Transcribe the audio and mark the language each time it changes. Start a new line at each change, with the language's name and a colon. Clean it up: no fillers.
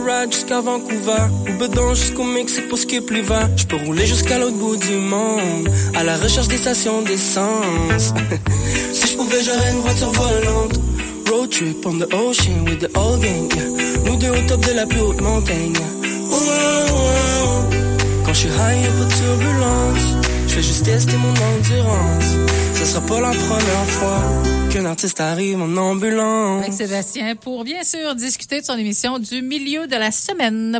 French: Jusqu'à Vancouver, ou bedon jusqu'au Mexique pour ce qui est plus vert. Je peux rouler jusqu'à l'autre bout du monde, à la recherche des stations d'essence. Si je pouvais, j'aurais une voiture volante.
English: Road trip on the ocean with the old gang.
French: Nous deux au top de la plus haute montagne. Oh, oh, oh. Quand je suis high, y'a pas de turbulence. Je fais juste tester mon endurance. Ça sera pas la première fois qu'un artiste arrive en ambulance. Avec Sébastien pour, bien sûr, discuter de son émission du milieu de la semaine.